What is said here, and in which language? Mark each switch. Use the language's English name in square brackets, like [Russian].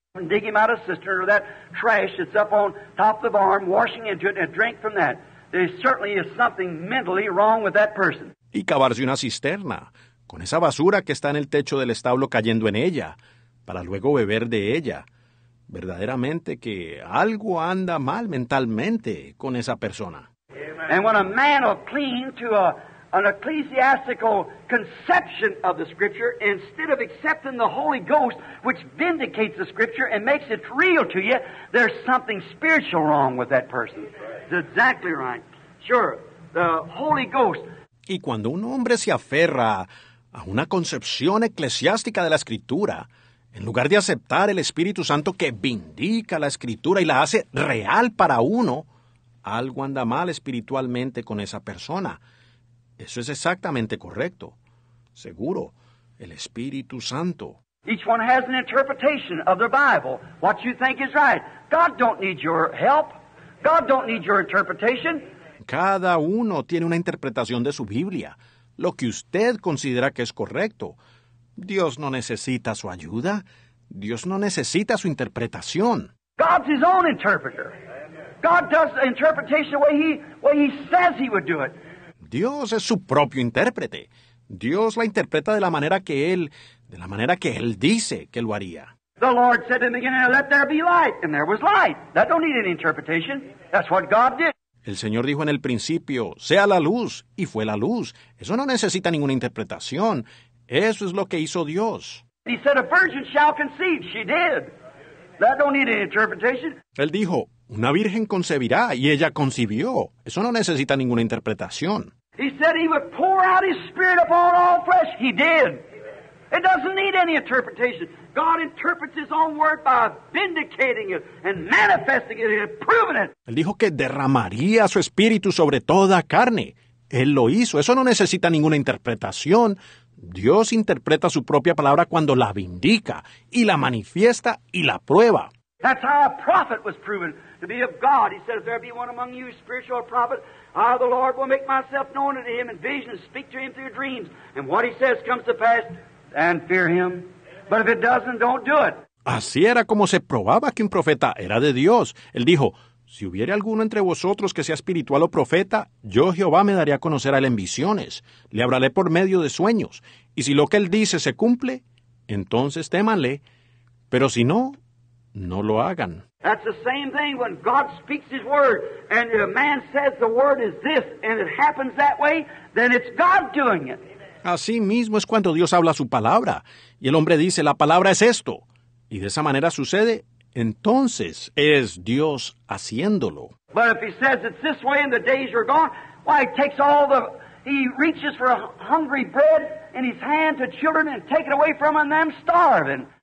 [English] And dig him out a cistern or that trash that's up on top of the barn, washing into it and drink from that. There certainly is something mentally wrong with that person. [Spanish] Y cavarse una cisterna con esa basura que está en el techo del establo cayendo en ella, para luego beber de ella. Verdaderamente que algo anda mal mentalmente con esa persona. [English] And when a man will cling to an ecclesiastical conception of the Scripture, instead of accepting the Holy Ghost, which vindicates the Scripture and makes it real to you, there's something spiritual wrong with that person. That's exactly right. Sure, the Holy Ghost. [Spanish] Y cuando un hombre se aferra a una concepción eclesiástica de la Escritura, en lugar de aceptar el Espíritu Santo que vindica la Escritura y la hace real para uno, algo anda mal espiritualmente con esa persona. Eso es exactamente correcto. Seguro, el Espíritu Santo. [English] Each one has an interpretation of their Bible, what you think is right. God don't need your help. God don't need your interpretation. [Spanish] Cada uno tiene una interpretación de su Biblia, lo que usted considera que es correcto. Dios no necesita su ayuda. Dios no necesita su interpretación. [English] God's his own interpreter. God does the interpretation the way he says he would do it. [Spanish] Dios es su propio intérprete. Dios la interpreta de la manera que él, de la manera que él dice que lo haría. [English] The Lord said in the beginning, let there be light, and there was light. That don't need any interpretation. That's what God did. [Spanish] El Señor dijo en el principio, sea la luz, y fue la luz. Eso no necesita ninguna interpretación. Eso es lo que hizo Dios. [English] He said, a virgin shall conceive. She did. That don't need any interpretation. [Spanish] Él dijo, una virgen concebirá, y ella concibió. Eso no necesita ninguna interpretación. [English] He said he would pour out his spirit upon all flesh. He did. It doesn't need any interpretation. God interprets his own word by vindicating it and manifesting it and proving it. [Spanish] Él dijo que derramaría su espíritu sobre toda carne. Él lo hizo. Eso no necesita ninguna interpretación. Dios interpreta su propia palabra cuando la vindica y la manifiesta y la prueba. [English] That's how a prophet was proven to be of God. He said, if there be one among you, spiritual prophet, I, the Lord, will make myself known unto him in visions, speak to him through dreams. And what he says comes to pass, and fear him. But if it doesn't, don't do it. [Spanish] Así era como se probaba que un profeta era de Dios. Él dijo, si hubiere alguno entre vosotros que sea espiritual o profeta, yo Jehová me daré a conocer a él en visiones, le hablaré por medio de sueños, y si lo que él dice se cumple, entonces témanle, pero si no, no lo hagan. [English] That's the same thing when God speaks his word, and a man says the word is this, and it happens that way, then it's God doing it. [Spanish] Así mismo es cuando Dios habla su palabra, y el hombre dice, la palabra es esto, y de esa manera sucede, entonces es Dios haciéndolo. [English] But if he says it's this way and the days are gone, why, he reaches for a hungry bread in his hand to children and take it away from them starving.